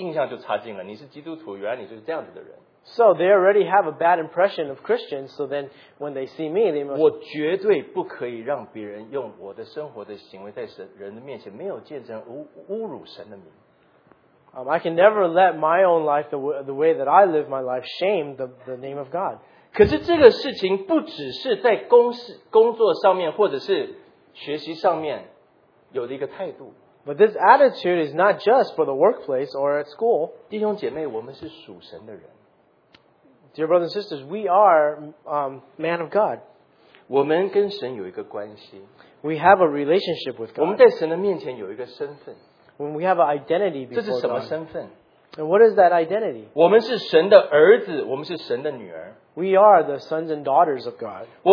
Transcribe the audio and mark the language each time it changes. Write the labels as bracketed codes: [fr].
[zh] 那我是怎样，他对基督徒有这么负面的看法，他对我一定第一印象就插进了，你是基督徒，原来你就是这样子的人。 [en] So they already have a bad impression of Christians, so then when they see me, they must... [zh] 我绝对不可以让别人用我的生活的行为在人的面前没有见证侮辱神的名。 [en] I can never let my own life, the way that I live my life, shame the name of God. [zh] 可是这个事情不只是在工作上面或者是学习上面有的一个态度。 [en] But this attitude is not just for the workplace or at school. [zh] 弟兄姐妹,我们是属神的人。 [en] Dear brothers and sisters, we are man of God. We have a relationship with God. When we have an identity before God. And what is that identity? We are the sons and daughters of God.